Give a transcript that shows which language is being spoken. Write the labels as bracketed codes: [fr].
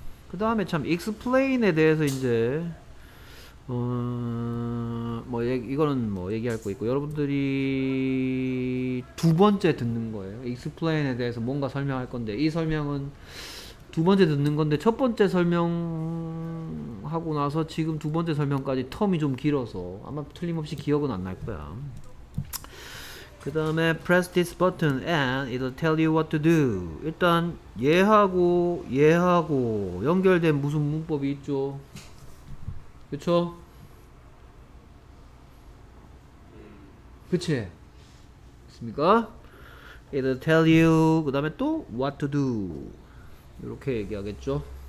[ko] 그 다음에 참 explain에 대해서 이제 이거는 뭐 얘기할 거 있고 여러분들이 두 번째 듣는 거예요. explain에 대해서 뭔가 설명할 건데 이 설명은 두 번째 듣는 건데 첫 번째 설명하고 나서 지금 두 번째 설명까지 텀이 좀 길어서 아마 틀림없이 기억은 안 날 거야. 그 다음에 [en] press this button and it'll tell you what to do. [ko] 일단 얘하고 연결된 무슨 문법이 있죠. 그쵸? 그치? 있습니까? [en] It'll tell you [ko] 그 다음에 또 [en] what to do [ko] 이렇게 얘기하겠죠.